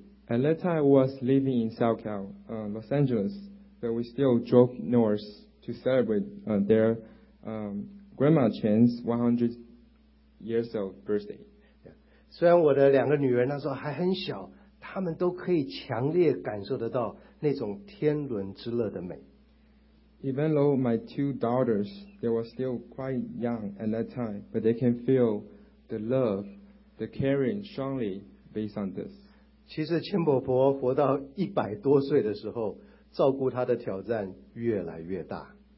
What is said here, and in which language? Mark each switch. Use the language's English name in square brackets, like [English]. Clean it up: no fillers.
[English] At that time, I was living in SoCal, Los Angeles, but we still drove north to celebrate their Grandma Chen's 100 years old birthday. [Chinese] 虽然我的两个女儿那时候还很小, 她们都可以强烈感受得到那种天伦之乐的美。 [English] Even though my two daughters, they were still quite young at that time, but they can feel the love, the caring strongly based on this. [Chinese] 其实千婆婆活到100多岁的时候, 照顾她的挑战越来越大。